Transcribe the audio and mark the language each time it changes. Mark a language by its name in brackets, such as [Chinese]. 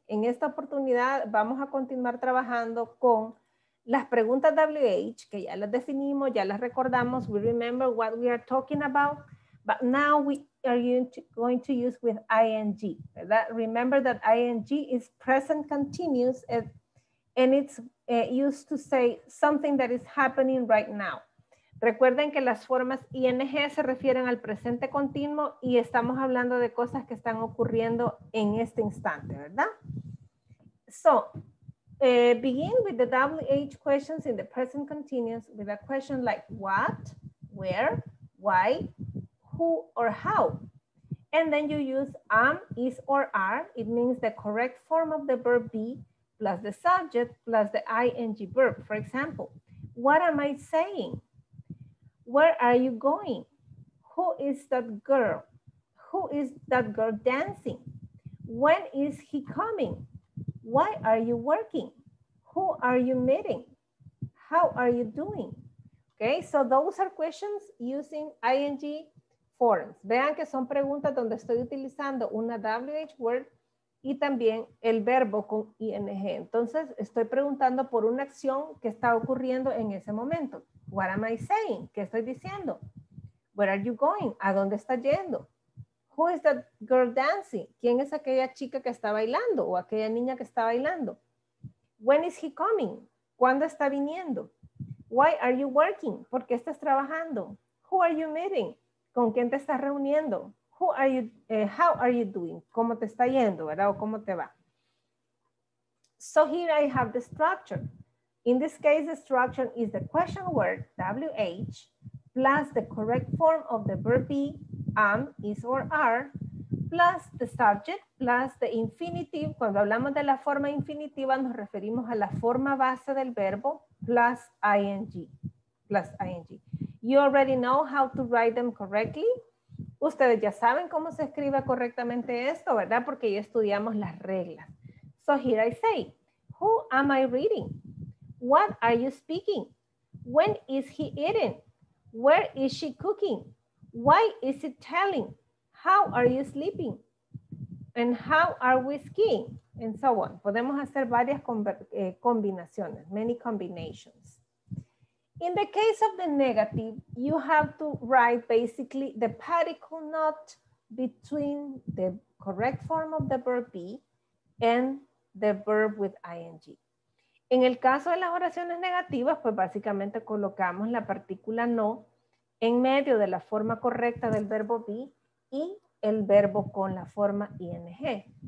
[Spanish] En esta oportunidad vamos a continuar trabajando con las preguntas WH, que ya las definimos, ya las recordamos, [English] we remember what we are talking about, but now we are going to use with ING. That, remember that ING is present continuous and it's used to say something that is happening right now. [Spanish] Recuerden que las formas ING se refieren al presente continuo y estamos hablando de cosas que están ocurriendo en este instante, ¿verdad? [English] So, begin with the WH questions in the present continuous with a question like what, where, why, who, or how. And then you use am, is, or are. It means the correct form of the verb be plus the subject plus the ing verb. For example, what am I saying? Where are you going? Who is that girl? Who is that girl dancing? When is he coming? Why are you working? Who are you meeting? How are you doing? Okay, so those are questions using ing forms. [Spanish] Vean que son preguntas donde estoy utilizando una WH word y también el verbo con ing. Entonces, estoy preguntando por una acción que está ocurriendo en ese momento. [English] What am I saying? [Spanish] ¿Qué estoy diciendo? [English] Where are you going? [Spanish] ¿A dónde está yendo? [English] Who is that girl dancing? [Spanish] ¿Quién es aquella chica que está bailando o aquella niña que está bailando? [English] When is he coming? [Spanish] ¿Cuándo está viniendo? [English] Why are you working? [Spanish] ¿Por qué estás trabajando? [English] Who are you meeting? [Spanish] ¿Con quién te estás reuniendo? [English] Who are you, how are you doing? [Spanish] ¿Cómo te está yendo, verdad? ¿O cómo te va? [English] So here I have the structure. In this case, the structure is the question word, WH, plus the correct form of the verb be, am, is, or are, plus the subject, plus the infinitive. [Spanish] Cuando hablamos de la forma infinitiva, nos referimos a la forma base del verbo, [English] plus ing, plus ing. You already know how to write them correctly. [Spanish] Ustedes ya saben cómo se escribe correctamente esto, ¿verdad? Porque ya estudiamos las reglas. [English] So here I say, who am I reading? What are you speaking? When is he eating? Where is she cooking? Why is it telling? How are you sleeping? And how are we skiing? And so on. [Spanish] Podemos hacer varias combinaciones, [English] many combinations. In the case of the negative, you have to write basically the particle not between the correct form of the verb be and the verb with ing. [Spanish] En el caso de las oraciones negativas, pues básicamente colocamos la partícula no en medio de la forma correcta del verbo be y el verbo con la forma ing.